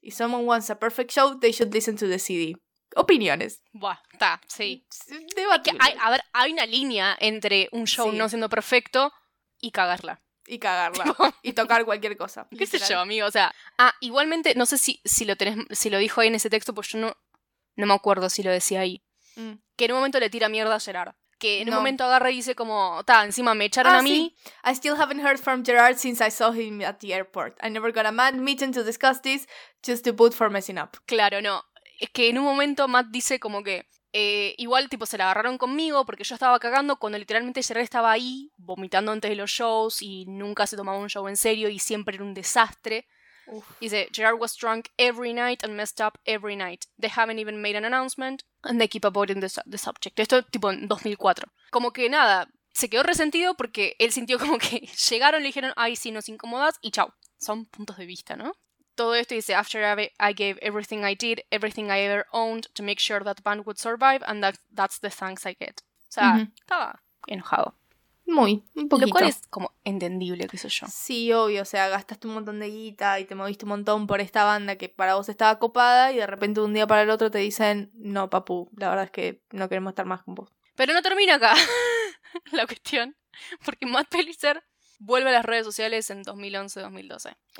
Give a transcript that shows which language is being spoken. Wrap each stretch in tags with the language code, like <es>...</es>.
<en>If someone wants a perfect show, they should listen to the CD.</en> <es>Opiniones. Buah, está, sí. Hay una línea entre un show no siendo perfecto y cagarla. Y cagarla. Y tocar cualquier cosa. ¿Qué sé yo, amigo? O sea, igualmente, no sé si lo tenés, si lo dijo ahí en ese texto, pues yo no me acuerdo si lo decía ahí. Que en un momento le tira mierda a Gerard. Que en un momento agarra y dice como, está, encima me echaron a mí.</es> <en>I still haven't heard from Gerard since I saw him at the airport. I never got a mad meeting to discuss this, just to boot for messing up.</en> <es>Claro, no. Es que en un momento Matt dice como que igual tipo se la agarraron conmigo porque yo estaba cagando cuando literalmente Gerard estaba ahí vomitando antes de los shows y nunca se tomaba un show en serio y siempre era un desastre. Uf. Dice,</es> <en>Gerard was drunk every night and messed up every night. They haven't even made an announcement and they keep avoiding the subject.</en> <es>Esto tipo en 2004. Como que nada, se quedó resentido porque él sintió como que llegaron, le dijeron, ay, sí, nos incomodas y chao. Son puntos de vista, ¿no? Todo esto dice,</es> <en>after I gave everything I did, everything I ever owned to make sure that band would survive, and that's the thanks I get.</en> <es>O sea, estaba enojado. Muy, un poquito. Lo cual es como entendible, qué sé yo. Sí, obvio, o sea, gastaste un montón de guita y te moviste un montón por esta banda que para vos estaba copada y de repente un día para el otro te dicen, no, papu, la verdad es que no queremos estar más con vos. Pero no termina acá la cuestión, porque Matt Pellicer vuelve a las redes sociales en 2011-2012.</es>